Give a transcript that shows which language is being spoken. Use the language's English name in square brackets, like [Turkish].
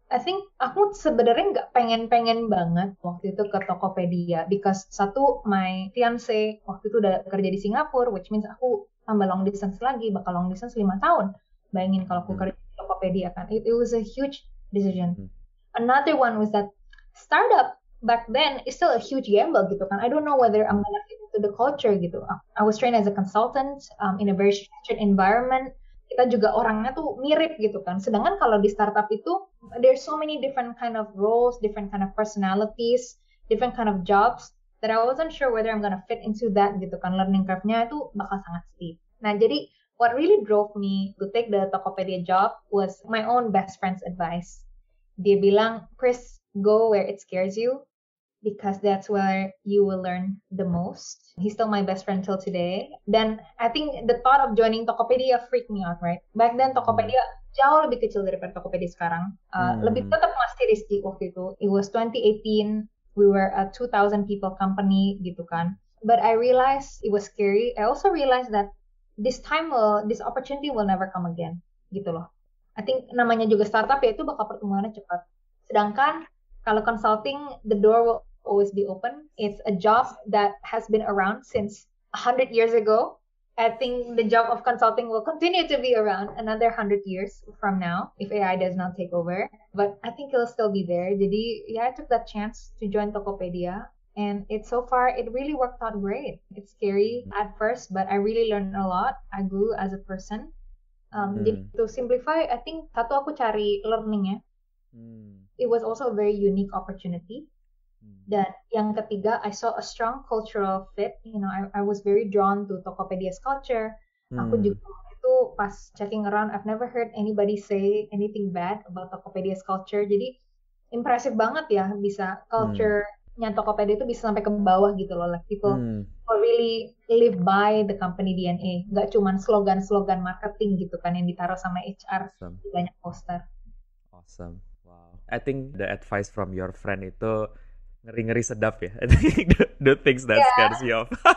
[English] I think [Indonesian] aku sebenarnya nggak pengen-pengen banget waktu itu ke Tokopedia [English] because [Indonesian] satu, [English] my fiance [Indonesian] waktu itu udah kerja di Singapura, which means aku tambah long distance lagi, bakal long distance 5 tahun. Bayangin kalau aku kerja di Tokopedia kan. [English] It was a huge decision. Another one was that startup back then is still a huge gamble [Indonesian] gitu kan. [English] I don't know whether I'm gonna fit into the culture gitu. I was trained as a consultant in a very structured environment. [Indonesian] Kita juga orangnya tuh mirip gitu kan. Sedangkan kalau di startup itu, [English] there's so many different kind of roles, different kind of personalities, different kind of jobs, that I wasn't sure whether I'm gonna fit into that [Indonesian] gitu kan. Learning curve-nya itu bakal sangat steep. Nah, jadi [English] what really drove me to take the Tokopedia job was my own best friend's advice. Dia bilang, Chris, go where it scares you, because that's where you will learn the most. He's still my best friend till today. Then I think the thought of joining Tokopedia freaked me out, right? [Indonesian] Back then Tokopedia jauh lebih kecil daripada Tokopedia sekarang. Lebih tetap masih risky waktu itu. [English] It was 2018. We were a 2,000 people company [Indonesian] gitu kan. [English] But I realized it was scary. I also realized that this opportunity will never come again. [Indonesian] Gitu loh. [English] I think [Indonesian] namanya juga startup ya, itu bakal pertumbuhannya cepat. Sedangkan kalau consulting, [English] the door will always be open. It's a job that has been around since 100 years ago. I think the job of consulting will continue to be around another 100 years from now if AI does not take over. But I think it'll still be there. [Indonesian] Jadi, [English] yeah, I took that chance to join Tokopedia. And it so far, it really worked out great. It's scary at first, but I really learned a lot. I grew as a person. [Indonesian] Jadi, [English] to simplify, I think [Indonesian] satu aku cari learning-nya. [English] It was also a very unique opportunity. [Indonesian] Dan yang ketiga, [English] I saw a strong cultural fit. You know, I was very drawn to Tokopedia's culture. [Indonesian] Aku juga itu pas [English] checking around, I've never heard anybody say anything bad about Tokopedia's culture. [Indonesian] Jadi, [English] impressive [Indonesian] banget ya bisa culture-nya Tokopedia itu bisa sampai ke bawah gitu loh. [English] Like people who really live by the company DNA. [Indonesian] Gak cuma slogan-slogan marketing gitu kan yang ditaruh sama HR [English] awesome. [Indonesian] Di banyak poster. [English] Awesome. I think the advice from your friend [Indonesian] itu ngeri-ngeri sedap ya. [English] The things that scares you off.